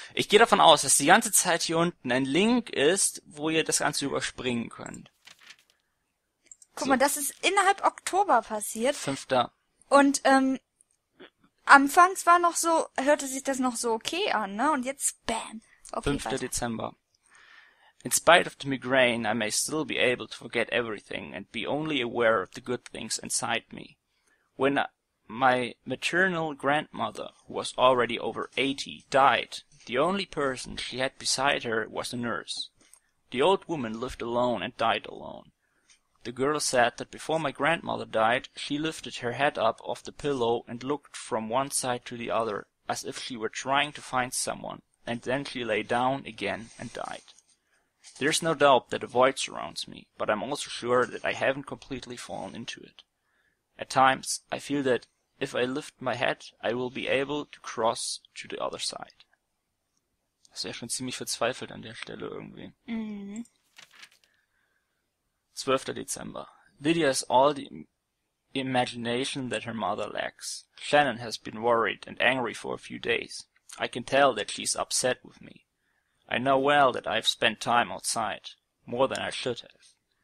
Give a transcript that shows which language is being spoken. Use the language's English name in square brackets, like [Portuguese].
[German] Ich gehe davon aus, dass die ganze Zeit hier unten ein Link ist, wo ihr das Ganze überspringen könnt. Guck mal, das ist innerhalb Oktober passiert. 5. Und anfangs war noch so, hörte sich das noch so okay an, ne? Und jetzt, bam. Okay, 5. Dezember. [English] In spite of the migraine, I may still be able to forget everything and be only aware of the good things inside me. My maternal grandmother, who was already over 80, died. The only person she had beside her was a nurse. The old woman lived alone and died alone. The girl said that before my grandmother died, she lifted her head up off the pillow and looked from one side to the other, as if she were trying to find someone, and then she lay down again and died. There's no doubt that a void surrounds me, but I'm also sure that I haven't completely fallen into it. At times, I feel that if I lift my head, I will be able to cross to the other side. [German] Das ist ja schon ziemlich verzweifelt an der Stelle irgendwie. Mhm. 12. Dezember. [English] Lydia has all the imagination that her mother lacks. Shannon has been worried and angry for a few days. I can tell that she's upset with me. I know well that I've spent time outside, more than I should have.